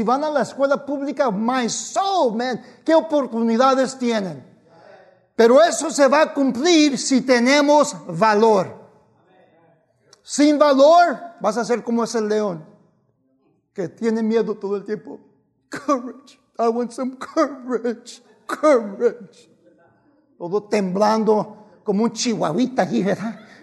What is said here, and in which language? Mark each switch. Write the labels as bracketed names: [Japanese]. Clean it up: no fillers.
[Spanish] Si van a la escuela pública, [English] my soul, man, [Spanish] qué oportunidades tienen. Pero eso se va a cumplir si tenemos valor. Sin valor, vas a ser como ese león que tiene miedo todo el tiempo. [English] Courage, I want some courage, courage. [Spanish] Todo temblando como un chihuahuita aquí, ¿verdad?